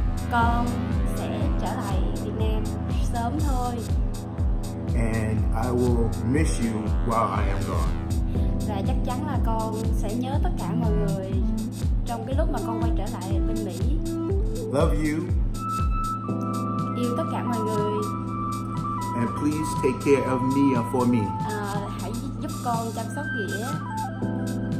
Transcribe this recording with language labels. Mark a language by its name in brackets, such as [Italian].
[Vietnamese] Con sẽ trở lại Việt Nam sớm thôi. [English] And I will miss you while I am gone. [Vietnamese] Và chắc chắn là con sẽ nhớ tất cả mọi người trong cái lúc mà con quay trở lại bên Mỹ. [English] Love you. [Vietnamese] Yêu tất cả mọi người. [English] And please take care of Nghĩa for me. [Vietnamese] Hãy giúp con chăm sóc Nghĩa.